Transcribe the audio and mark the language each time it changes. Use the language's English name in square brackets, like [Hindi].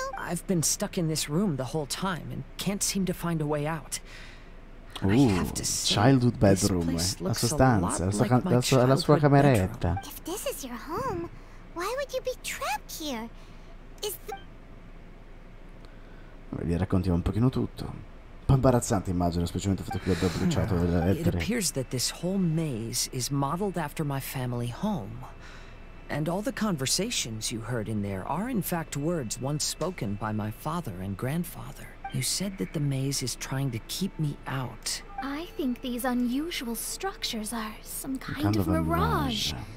[English] I've been stuck in this room the whole time and can't seem to find a way out. Ooh, I have to say, childhood bedroom, this place looks a [Italian] stanza, [English] lot like [Italian] la sua, sua cameretta. [English] If this is your home, why would you be trapped here? Is the... [Italian] Vi raccontiamo un pochino tutto. Imbarazzante, immagino, specialmente fatto che abbia bruciato le lettere. [English] It appears that this whole maze is modeled after my family home, and all the conversations you heard in there are in fact words once spoken by my father and grandfather. You said that the maze is trying to keep me out. I think these unusual structures are some kind of mirage.